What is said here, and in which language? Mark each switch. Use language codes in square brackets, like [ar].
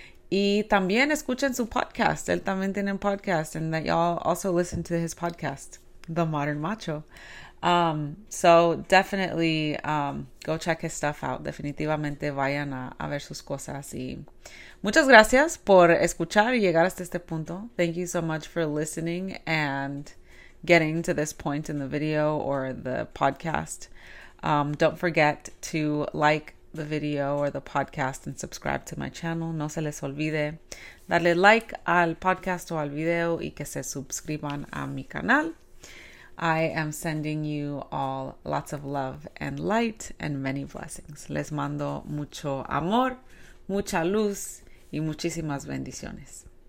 [es] Y también escuchen su podcast. Él también tiene un podcast, [en] and that y'all also listen to his podcast, [es] The Modern Macho. [en] So definitely go check his stuff out. [es] Definitivamente vayan a ver sus cosas y muchas gracias por escuchar y llegar hasta este punto. [en] Thank you so much for listening and getting to this point in the video or the podcast. Don't forget to like the video or the podcast and subscribe to my channel. [es] No se les olvide darle like al podcast o al video y que se suscriban a mi canal. [en] I am sending you all lots of love and light and many blessings. [es] Les mando mucho amor, mucha luz y muchísimas bendiciones.